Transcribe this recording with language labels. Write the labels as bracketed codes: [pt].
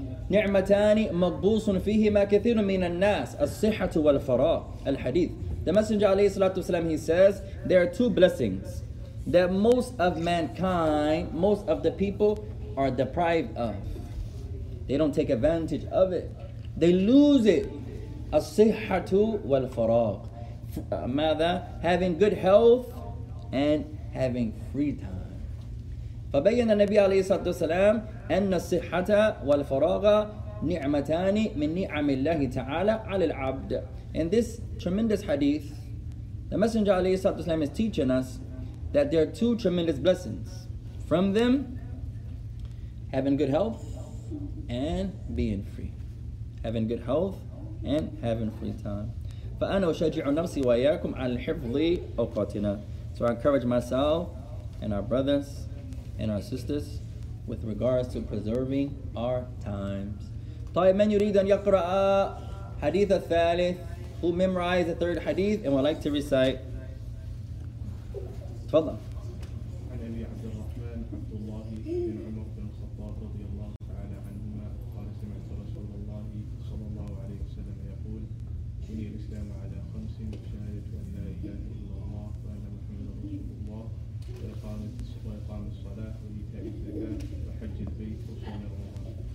[ar] نعمتان مبوس فيهما كثير من الناس الصحة والفراغ الحديث. [en] The Messenger [ar] عليه الصلاة والسلام, [en] he says, there are two blessings that most of mankind, most of the people are deprived of. They don't take advantage of it. They lose it. [ar] الصحة والفراغ. ماذا? [en] Having good health and having free time. [ar] فبين النبي عليه الصلاة والسلام أن الصحة والفراغ نعمتان من نعم الله تعالى على العبد. [en] In this tremendous hadith, the Messenger [ar] عليه الصلاة والسلام [en] is teaching us that there are two tremendous blessings. From them, having good health and being free. Having good health and having free time. [ar] فأنا أشجع نفسي وإياكم على حفظ أوقاتنا. [en] So I encourage myself and our brothers and our sisters with regards to preserving our times. [ar] طيب من يريد أن يقرأ حديث الثالث, [en] who memorize the third hadith and would like to recite. [ar] تفضل. عن أبي عبد الرحمن عبد الله بن عمر بن الخطاب رضي الله تعالى عنهما قال سمعت رسول الله صلى الله عليه وسلم يقول بني الإسلام على خمس شهادة أن لا إله إلا الله وأن محمدا رسول الله وإقام الصلاة وإيتاء الزكاة وحج البيت وصوم رمضان.